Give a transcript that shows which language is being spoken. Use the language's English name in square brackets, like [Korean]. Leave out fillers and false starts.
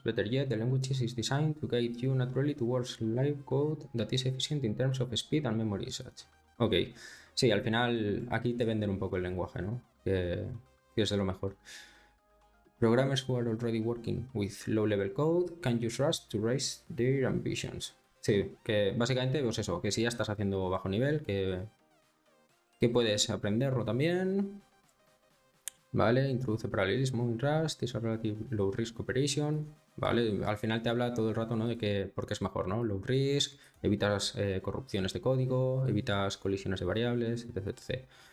[English] Better yet, the language is designed to guide you naturally towards live code that is efficient in terms of speed and memory usage. [Spanish] Ok, sí, al final aquí te venden un poco el lenguaje, ¿no? Que es de lo mejor. [English] Programmers who are already working with low level code can use Rust to raise their ambitions. [Spanish] Sí, que básicamente, pues eso, que si ya estás haciendo bajo nivel, que puedes aprenderlo también. Vale, introduce paralelismo en [English] Rust, is a relative low risk operation. [Spanish] Vale, al final te habla todo el rato, ¿no? De que, porque es mejor, ¿no? Low risk, evitas corrupciones de código, evitas colisiones de variables, etc, etc.